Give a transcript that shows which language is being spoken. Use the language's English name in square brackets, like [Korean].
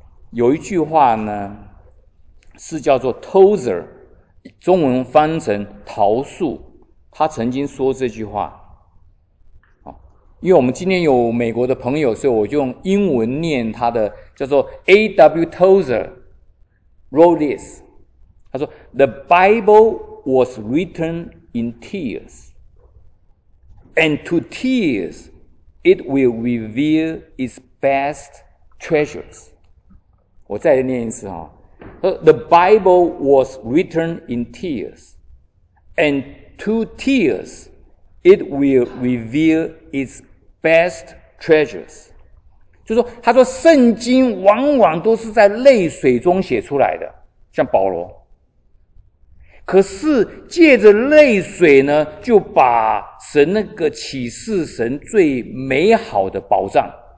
[Chinese] 有一句话呢，是叫做 Tozer， 中文翻成桃树，他曾经说这句话。因为我们今天有美国的朋友，所以我就用英文念他的，叫做 A.W. [English] Tozer wrote this。 [Chinese] 他说 [English] ：“The Bible was written in tears, and to tears it will reveal its best treasures。” [Chinese] 我再念一次啊、哦、，“ [English] The Bible was written in tears, and to tears it will reveal its best treasures。” [Chinese] 就说他说圣经往往都是在泪水中写出来的，像保罗。可是借着泪水呢，就把神那个启示神最美好的宝藏。